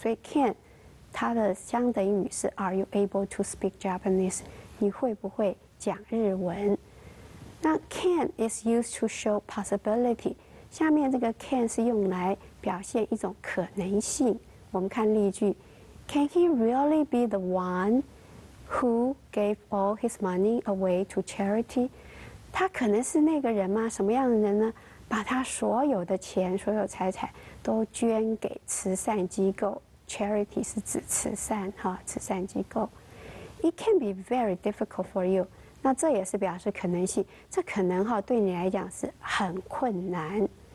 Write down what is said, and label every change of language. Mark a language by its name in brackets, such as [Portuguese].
[Chinese] 所以 [English] can [Chinese] 它的相等语是 [English] Are you able to speak Japanese? [Chinese] 你会不会讲日文？那 [English] can is used to show possibility. [Chinese] 下面这个 can 是用来表现一种可能性。 [English] 我们看例句 Can he really be the one? Who gave all his money away to charity? [Chinese] 他可能是那个人吗？什么样的人呢？把他所有的钱、所有财产都捐给慈善机构。 [English] Charity [Chinese] 是指慈善，哈，慈善机构。 [English] It can be very difficult for you. [Chinese] 那这也是表示可能性。这可能哈，对你来讲是很困难。